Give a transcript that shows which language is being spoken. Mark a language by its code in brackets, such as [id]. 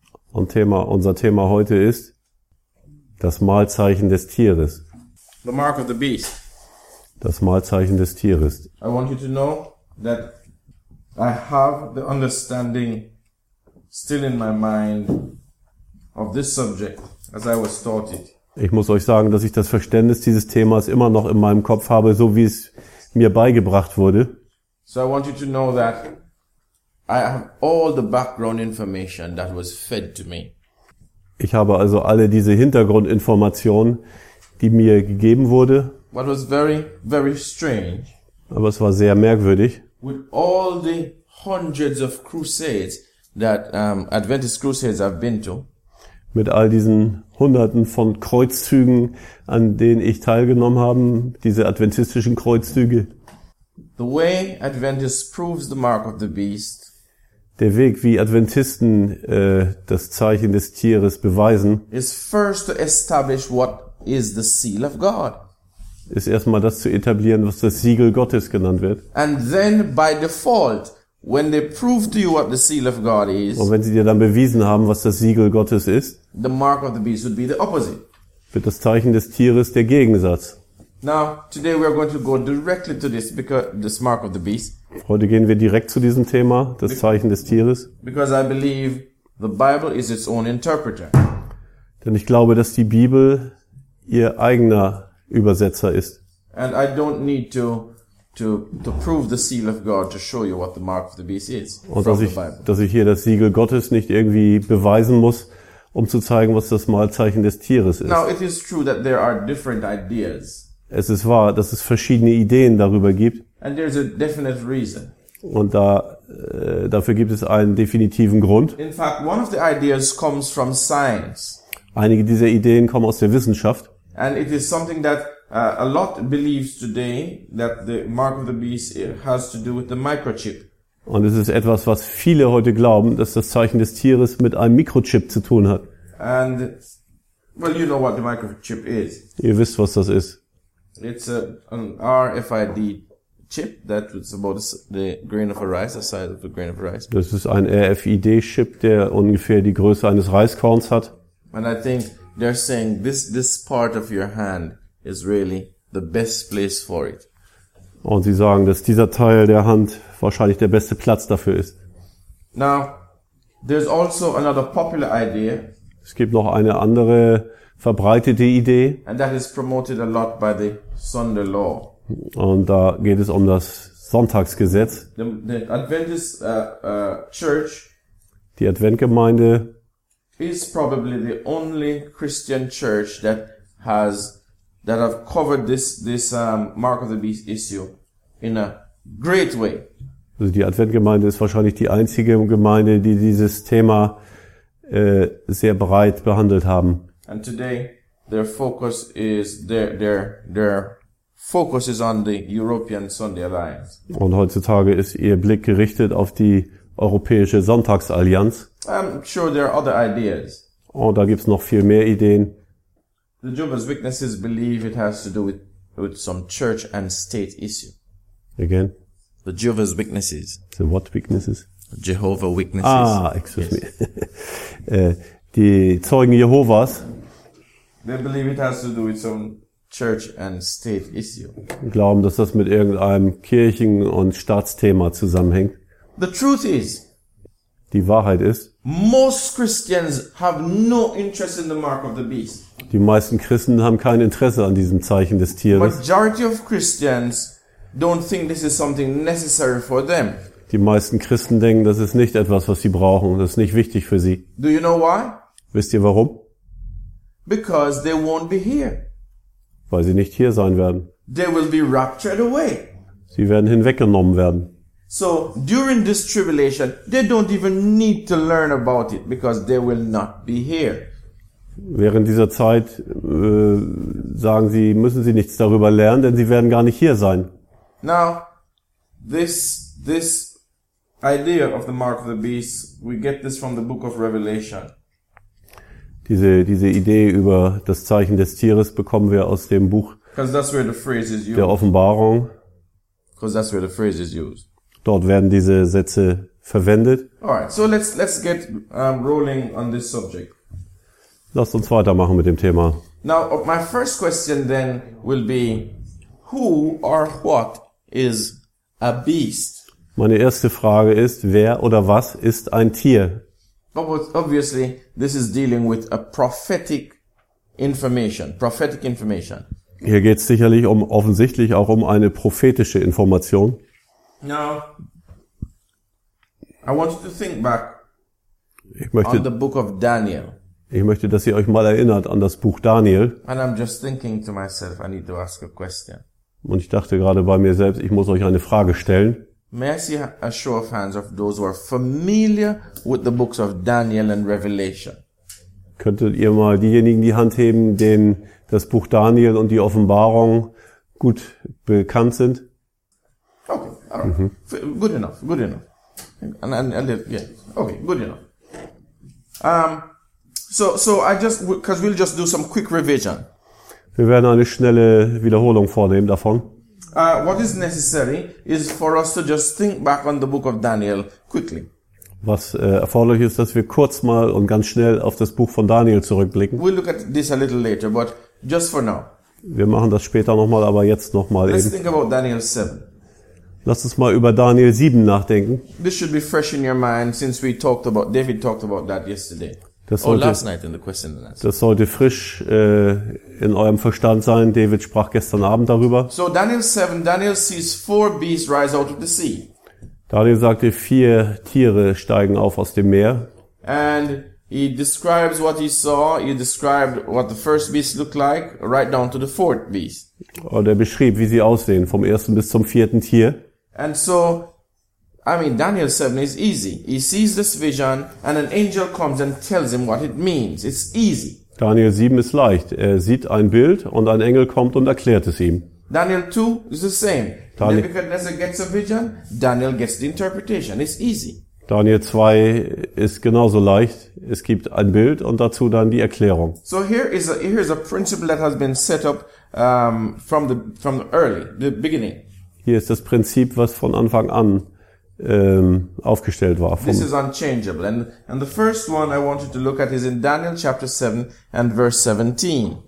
[de] Und unser Thema heute ist das Malzeichen des Tieres. [en] The mark of the beast. [de] Das Malzeichen des Tieres. [en] I want you to know that I have the understanding still in my mind of this subject as I was taught it. [de] Ich muss euch sagen, dass ich das Verständnis dieses Themas immer noch in meinem Kopf habe, so wie es mir beigebracht wurde. [en] So I want you to know that I have all the background information that was fed to me. [de] Ich habe also alle diese Hintergrundinformationen, die mir gegeben wurde. [en] What was very, very strange. [de] Aber es war sehr merkwürdig. [en] With all the hundreds of crusades that Adventist crusades I've been to. [de] Mit all diesen Hunderten von Kreuzzügen, an denen ich teilgenommen habe, diese adventistischen Kreuzzüge. [en] The way Adventists proves the mark of the beast. [de] Der Weg, wie Adventisten das Zeichen des Tieres beweisen, [en] is first to establish what is the seal of God. [de] Ist erstmal das zu etablieren, was das Siegel Gottes genannt wird. [en] And then by default, when they prove to you what the seal of God is, [de] und wenn sie dir dann bewiesen haben, was das Siegel Gottes ist, [en] the mark of the beast would be the opposite. [de] Wird das Zeichen des Tieres der Gegensatz. [en] Now, today we are going to go directly to this because this mark of the beast. [de] Heute gehen wir direkt zu diesem Thema, das Zeichen des Tieres. [en] Because I believe the Bible is its own interpreter. [de] Denn ich glaube, dass die Bibel ihr eigener Übersetzer ist. [en] And I don't need to prove the seal of God to show you what the mark of the beast is. [de] Und dass ich hier das Siegel Gottes nicht irgendwie beweisen muss, um zu zeigen, was das Malzeichen des Tieres ist. [en] Now it is true that there are different ideas. [de] Es ist wahr, dass es verschiedene Ideen darüber gibt. [en] And there's a definite reason. [de] Und dafür gibt es einen definitiven Grund. [en] In fact, one of the ideas comes from science. [de] Einige dieser Ideen kommen aus der Wissenschaft. [en] And it is something that a lot believes today that the mark of the beast has to do with the microchip. [de] Und es ist etwas, was viele heute glauben, dass das Zeichen des Tieres mit einem Mikrochip zu tun hat. [en] And well, you know what the microchip is. [de] Ihr wisst, was das ist. [en] It's an RFID chip that is about the grain of a rice, the size of a grain of rice. [de] Das ist ein RFID-Chip, der ungefähr die Größe eines Reiskorns hat. [en] And I think they're saying this part of your hand is really the best place for it. [de] Und sie sagen, dass dieser Teil der Hand wahrscheinlich der beste Platz dafür ist. [en] Now, there's also another popular idea. [de] Es gibt noch eine andere verbreitete Idee. [en] And that is promoted a lot by the Sunday law. [de] Und da geht es um das Sonntagsgesetz. [en] The Adventist Church. [de] Die Adventgemeinde [en] is probably the only Christian church that have covered this mark of the beast issue in a great way. [de] Also die Adventgemeinde ist wahrscheinlich die einzige Gemeinde, die dieses Thema sehr breit behandelt haben. [en] And today their focus is on the European Sunday Alliance. [de] Und heutzutage ist ihr Blick gerichtet auf die Europäische Sonntagsallianz. [en] I'm sure there are other ideas. [de] Und da gibt's noch viel mehr Ideen. [en] The Jehovah's Witnesses believe it has to do with some church and state issue. Again? The Jehovah's Witnesses. The what witnesses? Jehovah Witnesses. Ah, excuse me. [de] die Zeugen Jehovas. [en] They believe it has to do with some church and state issue. [de] Glauben, dass das mit irgendeinem Kirchen- und Staatsthema zusammenhängt. [en] The truth is. [de] Die Wahrheit ist. [en] Most Christians have no interest in the mark of the beast. [de] Die meisten Christen haben kein Interesse an diesem Zeichen des Tieres. [en] Majority of Christians don't think this is something necessary for them. [de] Die meisten Christen denken, das ist nicht etwas, was sie brauchen, das ist nicht wichtig für sie. [en] Do you know why? [de] Wisst ihr warum? [en] Because they won't be here. [de] Weil sie nicht hier sein werden. [en] They will be raptured away. [de] Sie werden hinweggenommen werden. [en] So during this tribulation, they don't even need to learn about it because they will not be here. [de] Während dieser Zeit sagen sie, müssen sie nichts darüber lernen, denn sie werden gar nicht hier sein. [en] Now, this idea of the mark of the beast, we get this from the book of Revelation. [de] Diese Idee über das Zeichen des Tieres bekommen wir aus dem Buch der Offenbarung. [en] Because that's where the phrase is used. [de] Dort werden diese Sätze verwendet. [en] Alright, so let's get rolling on this subject. [de] Lasst uns weitermachen mit dem Thema. [en] Now, my first question then will be, who or what is a beast? [de] Meine erste Frage ist, wer oder was ist ein Tier? [en] Obviously, this is dealing with a prophetic information. [de] Hier geht es sicherlich um offensichtlich auch um eine prophetische Information. [en] Now, I want you to think back on the book of Daniel. [de] Ich möchte, dass ihr euch mal erinnert an das Buch Daniel. [en] And I'm just thinking to myself, I need to ask a question. [de] Und ich dachte gerade bei mir selbst, ich muss euch eine Frage stellen. [en] May I see a show of hands of those who are familiar with the books of Daniel and Revelation? [de] Könntet ihr mal diejenigen die Hand heben, denen das Buch Daniel und die Offenbarung gut bekannt sind? [en] Okay, all right. Good enough. Okay, good enough. So I just, because we'll just do some quick revision. [de] Wir werden eine schnelle Wiederholung vornehmen davon. [en] What is necessary is for us to just think back on the book of Daniel quickly. [de] Was erforderlich ist, dass wir kurz mal und ganz schnell auf das Buch von Daniel zurückblicken. [en] We'll look at this a little later, but just for now. [de] Wir machen das später nochmal, aber jetzt nochmal eben. [en] Let's think about Daniel 7. [de] Lass uns mal über Daniel 7 nachdenken. [en] This should be fresh in your mind since we talked about, David talked about that yesterday. [de] Das sollte frisch in eurem Verstand sein. David sprach gestern Abend darüber. [en] So Daniel 7, Daniel sees four beasts rise out of the sea. [de] Daniel sagte, vier Tiere steigen auf aus dem Meer. [en] And he describes what he saw. He described what the first beast looked like, right down to the fourth beast. [de] Und er beschrieb, wie sie aussehen, vom ersten bis zum vierten Tier. [en] And so, I mean, Daniel 7 is easy. He sees this vision and an angel comes and tells him what it means. It's easy. [de] Daniel 7 ist leicht. Er sieht ein Bild und ein Engel kommt und erklärt es ihm. [en] Daniel 2 is the same. Nebuchadnezzar gets a vision, Daniel gets the interpretation. It's easy. [de] Daniel 2 ist genauso leicht. Es gibt ein Bild und dazu dann die Erklärung. [en] So here is a principle that has been set up from the beginning. [de] Hier ist das Prinzip, was von Anfang an aufgestellt war. [en] This is unchangeable. And the first one I wanted to look at is in Daniel chapter 7 and verse 17.